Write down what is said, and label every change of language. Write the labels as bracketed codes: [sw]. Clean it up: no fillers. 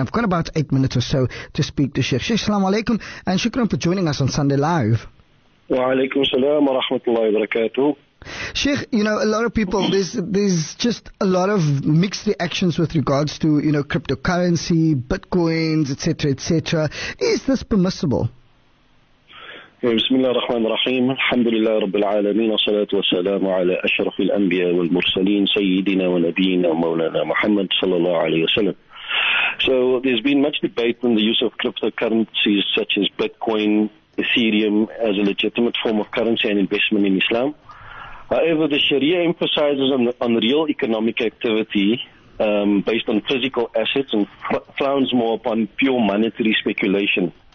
[en] I've got about 8 minutes or so to speak to Sheikh. Sheikh, assalamu alaikum and shukran for joining us on Sunday Live. [ar] Wa alaikum salam wa rahmatullahi wa barakatuh. [en] Sheikh, a lot of people, there's just a lot of mixed reactions with regards to, cryptocurrency, bitcoins, etc., etc. Is this permissible? [ar] بسم الله الرحمن الرحيم الحمد لله رب العالمين والصلاة والسلام على أشرف الأنبياء والمرسلين سيدنا ونبينا مولانا محمد صلى الله عليه وسلم. [en] So there's been much debate on the use of cryptocurrencies such as Bitcoin, Ethereum as a legitimate form of currency and investment in Islam. However, the Sharia emphasizes on real economic activity based on physical assets and frowns more upon pure monetary speculation.